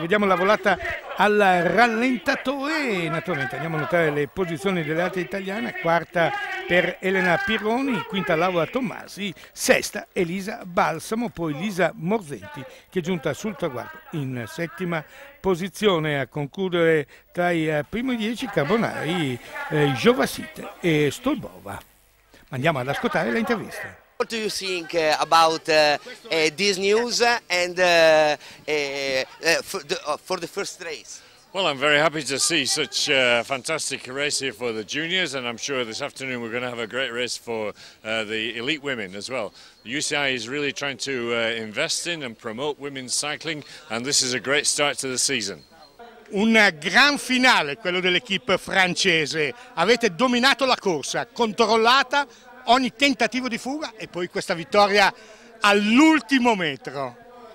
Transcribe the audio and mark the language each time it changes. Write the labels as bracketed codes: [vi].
[it] Rivediamo la volata al rallentatore e naturalmente andiamo a notare le posizioni delle altre italiane: quarta per Elena Pironi, quinta Laura Tommasi, sesta Elisa Balsamo, poi Lisa Morzenti che è giunta sul traguardo in settima posizione. A concludere tra i primi 10 carbonari Jovasite e Stolbova. Andiamo ad ascoltare l'intervista. [en] What do you think about this news and for the first race? Well, I'm very happy to see such a fantastic race here for the juniors, and I'm sure this afternoon we're going to have a great race for the elite women as well. UCI is really trying to invest in and promote women's cycling, and this is a great start to the season. [it] Un gran finale quello dell'equipe francese. Avete dominato la corsa, controllata ogni tentativo di fuga e poi questa vittoria all'ultimo metro.